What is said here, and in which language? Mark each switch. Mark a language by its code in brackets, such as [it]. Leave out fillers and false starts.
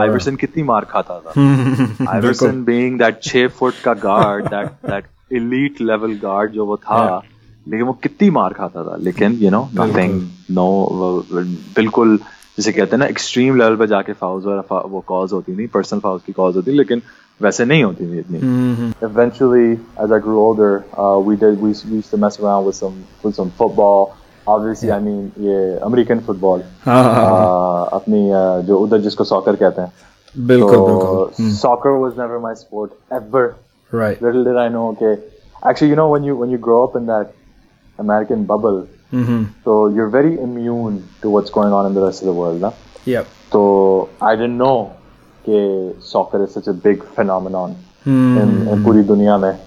[hi] Iverson kitni maar khata tha. [en] Iverson being that 6-foot [hi] ka guard, [en] that elite level guard [hi] jo wo tha, lekin wo kitni maar khata tha, lekin [en] you know, nothing, no, [hi] bilkul jise kehte na extreme level pe jaake fouls wala wo cause hoti nahi, personal fouls ki cause hoti, lekin वैसे नहीं होती थी इतनी. [en] Eventually as I grew older, we used to mess around with some football. Obviously, yeah. I mean, [hi] ये [en] American football. [hi] अपनी जो उधर जिसको soccer कहते हैं. बिल्कुल बिल्कुल. [en] Soccer was never my sport ever. Right. Little did I know. Okay. Actually, you know, when you grow up in that American bubble, so you're very immune to what's going on in the rest of the world, na? Yep. So I didn't know that soccer is such a big phenomenon in [hi] पूरी दुनिया में.